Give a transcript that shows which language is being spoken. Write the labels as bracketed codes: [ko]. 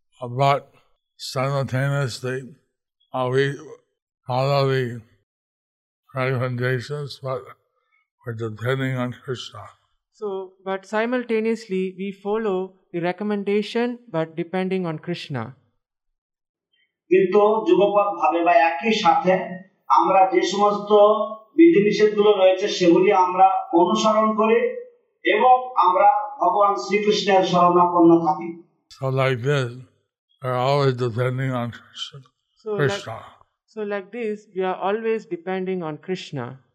[en] But simultaneously, we follow the recommendations, but we're depending on Krishna. So, but simultaneously, we follow the recommendation, but depending on Krishna. [bn] কিন্তু যুগপত ভাবে বা একই সাথে আমরা যে সমস্ত বিধিনিষেধগুলো রয়েছে সেগুলি আমরা অনুসরণ করি এবং আমরা ভগবান শ্রীকৃষ্ণের শরণাপন্ন থাকি। [en] So like this, we are always depending on Krishna. So like this, we are always depending on Krishna.